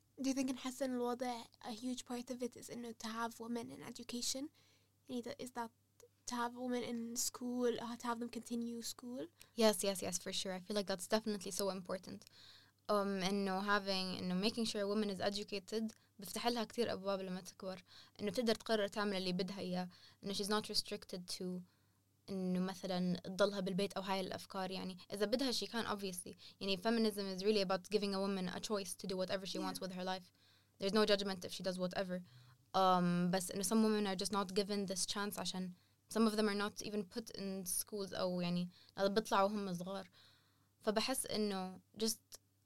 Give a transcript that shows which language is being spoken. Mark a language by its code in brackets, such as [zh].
[en] Do you think in Hassan Lode a huge part of it is you know, to have women in education? Is that to have women in school, to have them continue school? Yes, for sure. I feel like that's definitely so important. And having, making sure a woman is educated, [ar] بفتح لها كتير أبواب لما تكبر. إنه بتقدر تقرر تعمل اللي بدها إياه. إنه [en] she's not restricted to [ar] إنه مثلا تضلها بالبيت أو هاي الأفكار يعني إذا بدها شي كان [en] obviously [ar] يعني [en] feminism is really about giving a woman a choice to do whatever she wants with her life there's no judgment if she does whatever [ar] بس إنه [en] some women are just not given this chance [ar] عشان [en] some of them are not even put in schools [ar] أو يعني بيطلعوا هم صغار فبحس إنه [en] just